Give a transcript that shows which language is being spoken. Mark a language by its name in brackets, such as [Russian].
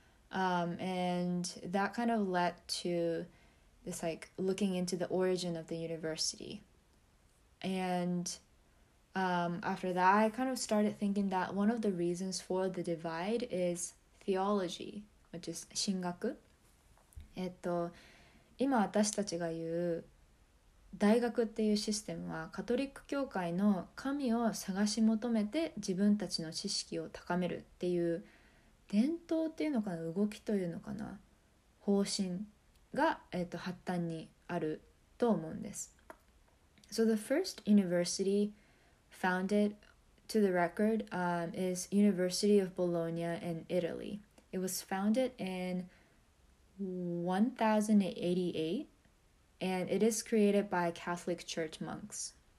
[English] And that kind of led to this like looking into the origin of the university. And after that, I kind of started thinking that one of the reasons for the divide is theology, which is 神学. [Japanese] 今私たちが言う大学っていうシステムはカトリック教会の神を探し求めて自分たちの知識を高めるっていう伝統っていうのかな、動きというのかな、方針が、発端にあると思うんです。 [English] So the first university founded to the record is University of Bologna in Italy. It was founded in 1088 and it is created by Catholic Church monks.